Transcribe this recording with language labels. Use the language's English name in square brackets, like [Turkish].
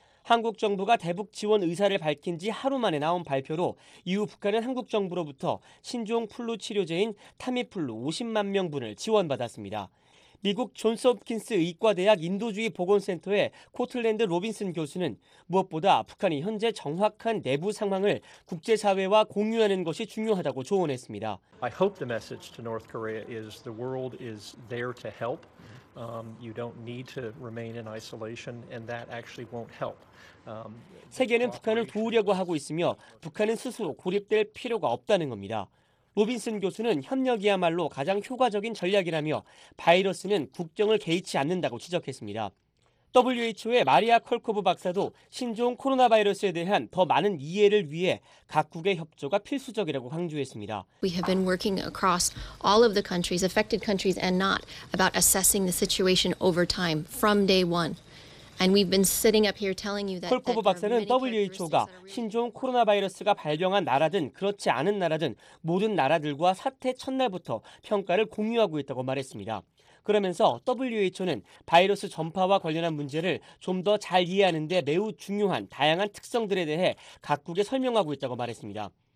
[Korean] 한국 정부가 대북 지원 의사를 밝힌 지 하루 만에 나온 발표로 이후 북한은 한국 정부로부터 신종플루 치료제인 타미플루 50만 명분을 지원받았습니다. 미국 존스홉킨스 의과대학 인도주의 보건센터의 코틀랜드 로빈슨 교수는 무엇보다 북한이 현재 정확한 내부 상황을 국제사회와 공유하는 것이 중요하다고 조언했습니다. [English] I hope the message to North Korea is the world is there to help. You don't need to remain in isolation, and that actually won't help. [Korean] 세계는 북한을 도우려고 하고 있으며 북한은 스스로 고립될 필요가 없다는 겁니다. 로빈슨 교수는 협력이야말로 가장 효과적인 전략이라며 바이러스는 국경을 개의치 않는다고 지적했습니다. WHO의 마리아 컬코브 박사도 신종 코로나 바이러스에 대한 더 많은 이해를 위해 각국의 협조가 필수적이라고 강조했습니다. [English] We have been working across all of the countries, affected countries and not, about assessing the situation over time from day one. And we've been sitting up here telling you that. [Korean] 콜코브 박사는 WHO가 신종 코로나 바이러스가 발병한 나라든 그렇지 않은 나라든 모든 나라들과 사태 첫날부터 평가를 공유하고 있다고 말했습니다. 그러면서 WHO는 바이러스 전파와 관련한 문제를 좀 더 잘 이해하는 데 매우 중요한 다양한 특성들에 대해 각국에 설명하고 있다고 말했습니다.